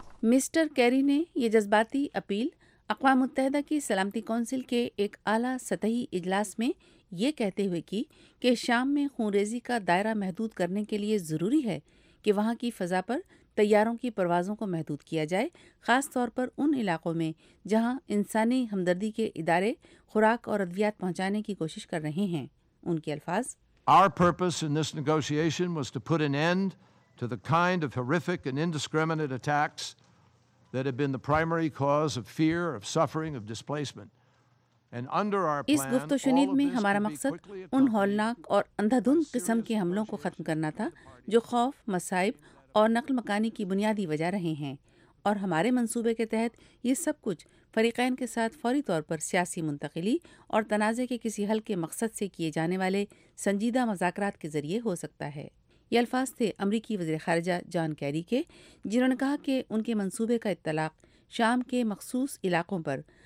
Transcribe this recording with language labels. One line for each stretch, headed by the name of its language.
Urdu: Mister carry نے یہ جذباتی اپیل اقوام متحدہ کی سلامتی کونسل کے ایک اعلیٰ سطحی اجلاس میں یہ کہتے ہوئے کی کہ شام میں خون ریزی کا دائرہ محدود کرنے کے لیے ضروری ہے کہ وہاں کی فضا پر طیاروں کی پروازوں کو محدود کیا جائے، خاص طور پر ان علاقوں میں جہاں انسانی ہمدردی کے ادارے خوراک اور ادویات پہنچانے کی کوشش کر رہے ہیں۔ ان کے الفاظ،
English: Our purpose in this negotiation was to put an end to the kind of horrific and indiscriminate attacks that have been the primary cause of fear, of suffering, of displacement.
Urdu: اس گفتگوشنید میں ہمارا مقصد ان ہولناک اور اندھا دھند قسم کے حملوں کو ختم کرنا تھا جو خوف، مصائب اور نقل مکانی کی بنیادی وجہ رہے ہیں، اور ہمارے منصوبے کے تحت یہ سب کچھ فریقین کے ساتھ فوری طور پر سیاسی منتقلی اور تنازع کے کسی حل کے مقصد سے کیے جانے والے سنجیدہ مذاکرات کے ذریعے ہو سکتا ہے۔ یہ الفاظ تھے امریکی وزیر خارجہ جان کیری کے، جنہوں نے کہا کہ ان کے منصوبے کا اطلاق شام کے مخصوص علاقوں پر